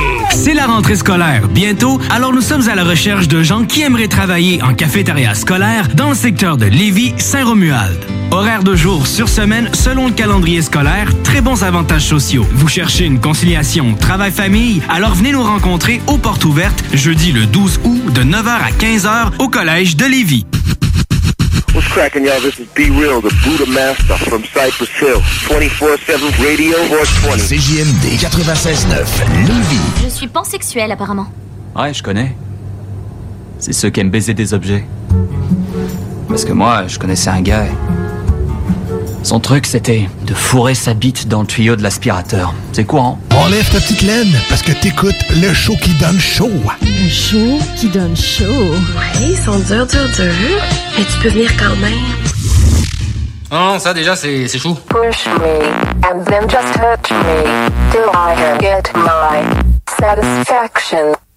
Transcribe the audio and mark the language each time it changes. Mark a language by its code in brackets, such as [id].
[fr] C'est la rentrée scolaire bientôt, alors nous sommes à la recherche de gens qui aimeraient travailler en cafétéria scolaire dans le secteur de Lévis-Saint-Romuald. Horaires de jour sur semaine selon le calendrier scolaire, très bons avantages sociaux. Vous cherchez une conciliation travail-famille? Alors venez nous rencontrer aux portes ouvertes jeudi le 12 août de 9h à 15h au collège de Lévis. [en] What's cracking, y'all? This is B-Real, the Buddha Master from Cypress Hill. 24/7 Radio 420. [fr] CJMD 96.9, Lévis. Je suis pansexuelle, apparemment. Ouais, je connais. C'est ceux qui aiment baiser des objets. Parce que moi, je connaissais un gars. Son truc, c'était de fourrer sa bite dans le tuyau de l'aspirateur. C'est courant. Enlève ta petite laine, parce que t'écoutes le show qui donne chaud. Le show qui donne chaud? Oui, ils sont durs. Mais tu peux venir quand même. Non, ça déjà, c'est chou. [en] Push me, and then just hurt me, till I get my satisfaction.